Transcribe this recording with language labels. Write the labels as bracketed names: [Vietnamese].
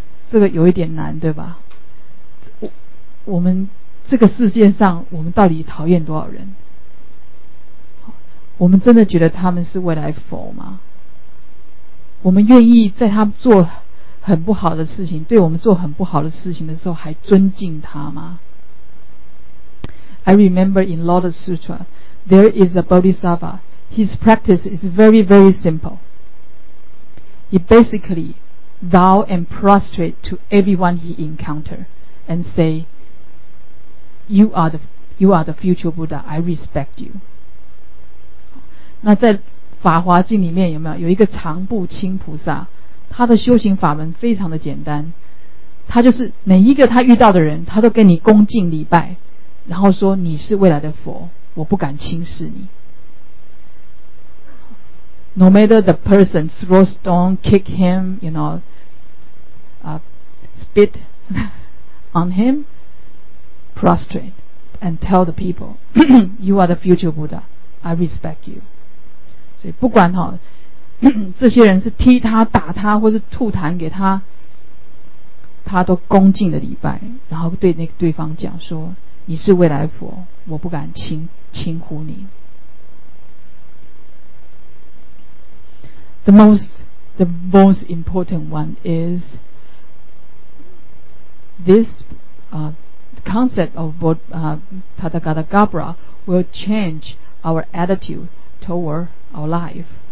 [Chinese] 这个有一点难，对吧？我们这个世界上我们到底讨厌多少人？我们真的觉得他们是未来佛吗？我们愿意在他们做很不好的事情，对我们做很不好的事情的时候还尊敬他吗？ [English] I remember in Lotus Sutra there is a Bodhisattva. His practice is very very simple. He basically bow and prostrate to everyone he encounter and say, you are the future Buddha. I respect you. [Chinese] 那在法华经里面有没有，有一个长布清菩萨，他的修行法门非常的简单，他就是每一个他遇到的人他都跟你恭敬礼拜，然后说你是未来的佛，我不敢轻视你。 [English] No matter the person throw stone, kick him, you know, spit on him, prostrate and tell the people you are the future Buddha, I respect you. [Chinese] 所以不管好这些人是踢他打他或是吐痰给他，他都恭敬的礼拜，然后对那个对方讲说你是未来佛，我不敢轻忽你。 [English] The most important one is this concept of Tathagata Gabbara will change our attitude toward our life.